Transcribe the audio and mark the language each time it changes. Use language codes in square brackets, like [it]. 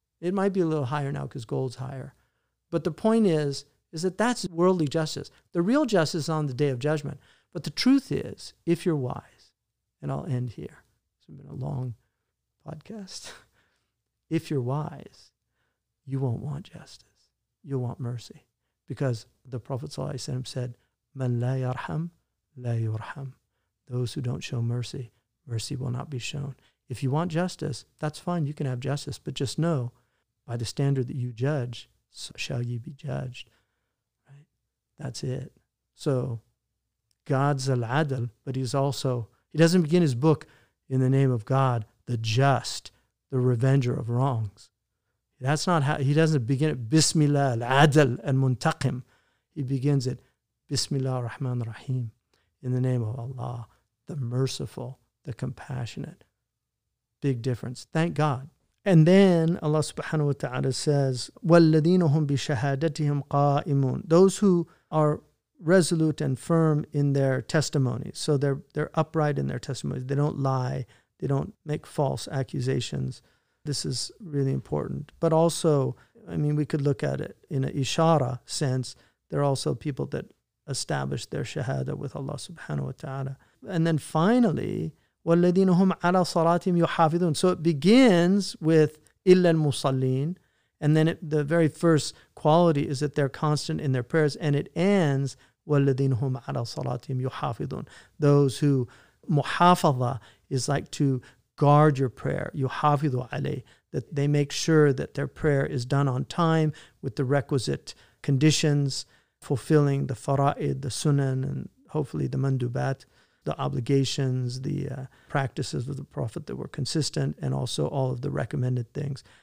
[en] It might be a little higher now because gold's higher. But the point is that that's worldly justice. The real justice is on the day of judgment. But the truth is, if you're wise, and I'll end here. It's been a long podcast. If you're wise, you won't want justice. You'll want mercy. Because the Prophet ﷺ said, [ar] مَنْ لَا يَرْحَمْ لَا يُرْحَمْ. [en] Those who don't show mercy, mercy will not be shown. If you want justice, that's fine. You can have justice. But just know, by the standard that you judge, so shall ye be judged. Right? That's it. So God's al-adl, but he's also, he doesn't begin his book in the name of God, the just, the revenger of wrongs. That's not how, he doesn't begin it, Bismillah al-Adl al-Muntaqim. He begins it, Bismillah ar-Rahman ar-Rahim. In the name of Allah, the merciful, the compassionate. Big difference. Thank God. And then Allah subhanahu wa ta'ala says, [ar] وَالَّذِينَ هُمْ بِشَهَادَتِهِمْ قَائِمُونَ. [en] Those who are resolute and firm in their testimony. So they're upright in their testimony. They don't lie. They don't make false accusations. This is really important. But also, I mean, we could look at it in an ishara sense. There are also people that establish their shahada with Allah subhanahu wa ta'ala. And then finally, [ar] وَالَّذِينَ هُمْ عَلَى صَلَاتِهِمْ يُحَافِظُونَ. [en] So it begins with [ar] إِلَّا الْمُصَلِّينَ. [en] And then the very first quality is that they're constant in their prayers. And it ends [ar] وَالَّذِينَ هُمْ عَلَى صَلَاتِهِمْ يُحَافِظُونَ. [en] Those who, muhafaza is like to guard your prayer, [ar] يُحَافِظُ عَلَيْهِ, [en] that they make sure that their prayer is done on time with the requisite conditions, fulfilling the fara'id, the sunan, and hopefully the mandubat, the obligations, the practices of the Prophet that were consistent, and also all of the recommended things.